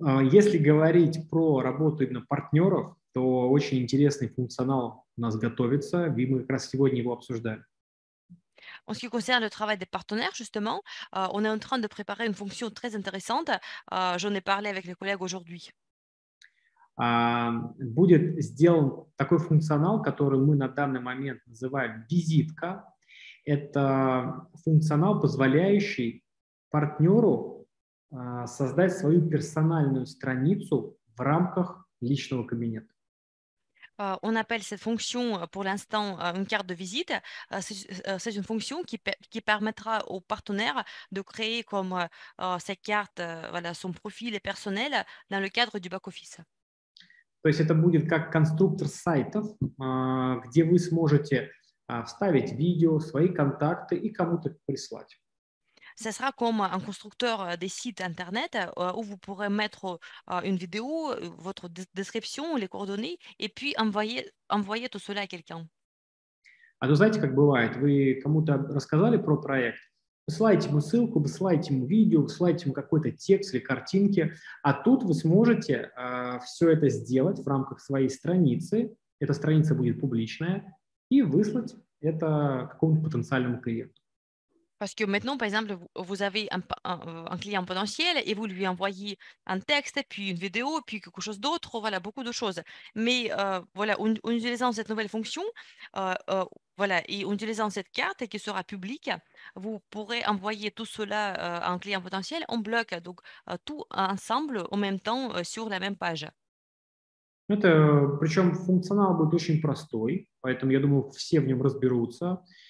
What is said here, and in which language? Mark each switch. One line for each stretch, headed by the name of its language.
Russian: Если говорить про работу именно партнеров, то очень интересный функционал у нас готовится, и мы как раз сегодня его обсуждали.
French: En ce qui concerne le travail des partenaires, justement, on est en train de préparer une fonction très intéressante. J'en ai parlé avec les collègues aujourd'hui.
Russian: Будет сделан такой функционал, который мы на данный момент называем визитка. Это функционал, позволяющий партнеру создать свою персональную страницу в рамках личного кабинета.
French: On appelle cette fonction pour l'instant une carte de visite. C'est une fonction qui permettra aux partenaires de créer comme sa carte, voilà, son profil et personnel dans le cadre du back-office.
Russian: То есть это будет как конструктор сайтов, где вы сможете вставить видео, свои контакты и кому-то прислать.
French: Ce sera comme un constructeur des sites Internet où vous pourrez mettre une vidéo, votre description, les coordonnées, et puis envoyer tout cela à quelqu'un.
Russian: А то знаете, как бывает, вы кому-то рассказали про проект, высылаете ему ссылку, высылаете ему видео, высылаете ему какой-то текст или картинки, а тут вы сможете все это сделать в рамках своей страницы, эта страница будет публичная, и выслать это какому-то потенциальному клиенту.
French: Parce que maintenant, par exemple, vous avez un client potentiel et vous lui envoyez un texte, puis une vidéo, puis quelque chose d'autre, voilà, beaucoup de choses. Mais voilà, en utilisant cette nouvelle fonction, voilà, et en utilisant cette carte qui sera publique, vous pourrez envoyer tout cela à un client potentiel en bloc, donc tout ensemble, en même temps, sur la même page.
Russian: Это, причем функционал будет очень простой, поэтому я думаю, все в нем разберутся.